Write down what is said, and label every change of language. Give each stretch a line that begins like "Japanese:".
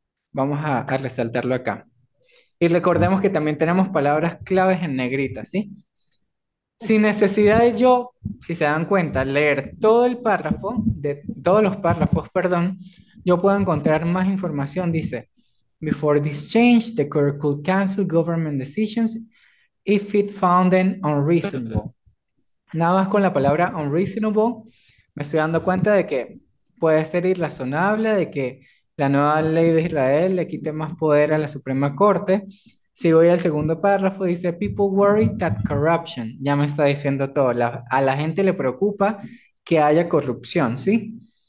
Spanish: Vamos a resaltarlo acá. Y recordemos que también tenemos palabras claves en negrita, ¿sí? Sin necesidad de yo, si se dan cuenta, leer todo el párrafo, de todos los párrafos, perdón, yo puedo encontrar más información, dice.
English: Before this change, the court could cancel government decisions if it found them unreasonable.
Spanish: Nada más con la palabra unreasonable, me estoy dando cuenta de que puede ser irrazonable de que la nueva ley de Israel le quite más poder a la Suprema Corte. Si voy al segundo párrafo, dice:
English: People worry that corruption.
Spanish: Ya me está diciendo todo. A la gente le preocupa que haya corrupción, ¿sí?